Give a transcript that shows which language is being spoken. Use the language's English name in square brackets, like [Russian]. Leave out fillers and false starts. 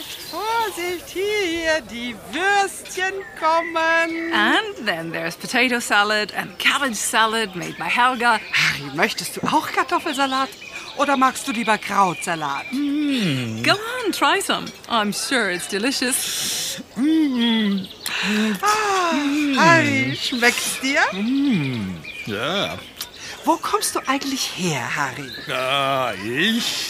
[German] Vorsicht, hier, die Würstchen kommen. [English] And then there's potato salad and cabbage salad made by Helga. [German] Harry, möchtest du auch Kartoffelsalat? Oder magst du lieber Krautsalat? [English] Go on, try some. I'm sure it's delicious. [German] Harry, schmeckt's dir? Ja. Wo kommst du eigentlich her, Harry?